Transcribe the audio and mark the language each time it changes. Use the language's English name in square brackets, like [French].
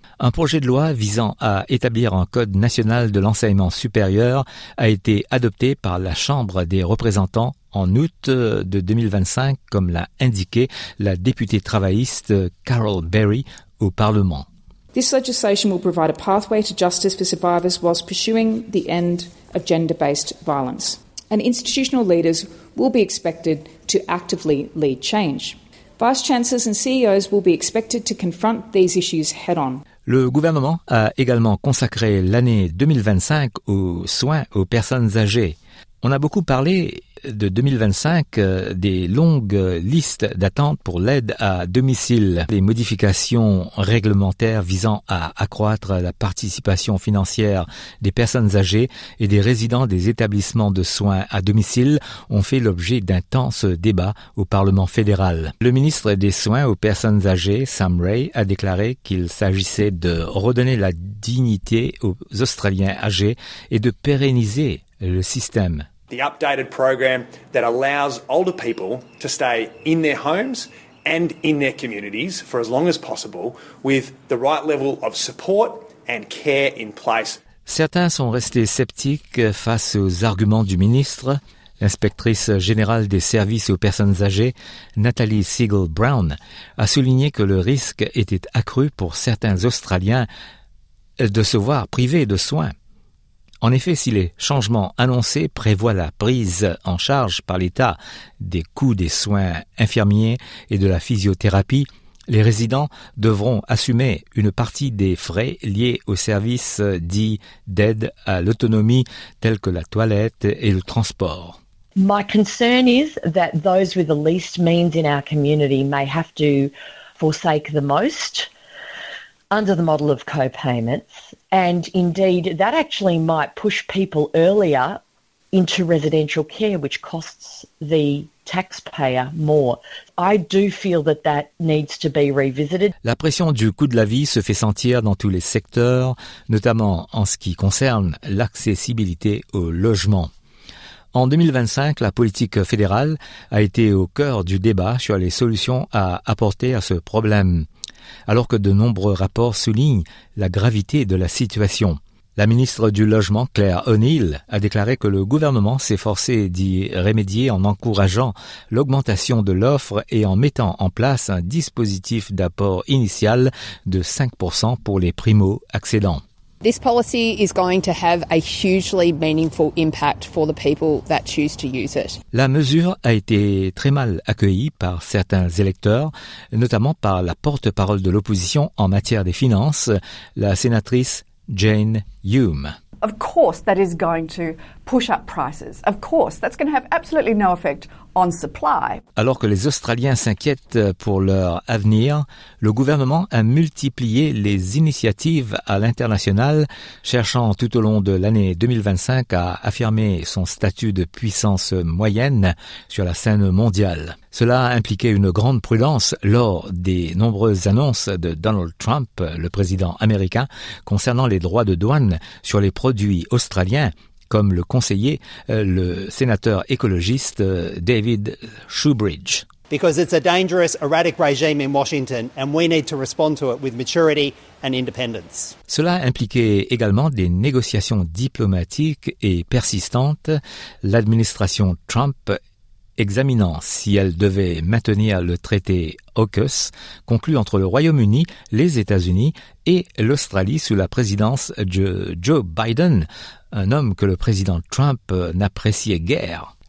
[French] Un projet de loi visant à établir un code national de l'enseignement supérieur a été adopté par la Chambre des représentants en août de 2025, comme l'a indiqué la députée travailliste Carol Berry au Parlement. [English] This legislation will provide a pathway to justice for survivors whilst pursuing the end of gender-based violence. And institutional leaders will be expected to actively lead change. Vice chancellors and CEOs will be expected to confront these issues head-on. [French] Le gouvernement a également consacré l'année 2025 aux soins aux personnes âgées. On a beaucoup parlé de 2025, des longues listes d'attente pour l'aide à domicile, des modifications réglementaires visant à accroître la participation financière des personnes âgées et des résidents des établissements de soins à domicile ont fait l'objet d'intenses débats au Parlement fédéral. Le ministre des Soins aux personnes âgées, Sam Ray, a déclaré qu'il s'agissait de redonner la dignité aux Australiens âgés et de pérenniser le système. [English] The updated program that allows older people to stay in their homes and in their communities for as long as possible with the right level of support and care in place. [French] Certains sont restés sceptiques face aux arguments du ministre. L'inspectrice générale des services aux personnes âgées, Nathalie Siegel Brown, a souligné que le risque était accru pour certains Australiens de se voir privés de soins. En effet, si les changements annoncés prévoient la prise en charge par l'État des coûts des soins infirmiers et de la physiothérapie, les résidents devront assumer une partie des frais liés aux services dits d'aide à l'autonomie, tels que la toilette et le transport. [English] My concern is that those with the least means in our community may have to forsake the most under the model of co-payments. And indeed, that actually might push people earlier into residential care, which costs the taxpayer more. I do feel that that needs to be revisited. [French] La pression du coût de la vie se fait sentir dans tous les secteurs, notamment en ce qui concerne l'accessibilité au logement. En 2025, la politique fédérale a été au cœur du débat sur les solutions à apporter à ce problème. Alors que de nombreux rapports soulignent la gravité de la situation. La ministre du Logement, Claire O'Neill, a déclaré que le gouvernement s'efforçait d'y remédier en encourageant l'augmentation de l'offre et en mettant en place un dispositif d'apport initial de 5% pour les primo-accédants. [English] This policy is going to have a hugely meaningful impact for the people that choose to use it. [French] La mesure a été très mal accueillie par certains électeurs, notamment par la porte-parole de l'opposition en matière des finances, la sénatrice Jane Hume. [English] Of course, that is going to push up prices. Of course, that's going to have absolutely no effect on supply. [French] Alors que les Australiens s'inquiètent pour leur avenir, le gouvernement a multiplié les initiatives à l'international, cherchant tout au long de l'année 2025 à affirmer son statut de puissance moyenne sur la scène mondiale. Cela a impliqué une grande prudence lors des nombreuses annonces de Donald Trump, le président américain, concernant les droits de douane sur les produits australiens, comme le conseiller, le sénateur écologiste David Shoebridge. [English] Because it's a dangerous, erratic regime in Washington, and we need to respond to it with maturity and independence. [French] Cela impliquait également des négociations diplomatiques et persistantes, l'administration Trump examinant si elle devait maintenir le traité AUKUS conclu entre le Royaume-Uni, les États-Unis et l'Australie sous la présidence de Joe Biden, un homme que le président Trump n'appréciait guère.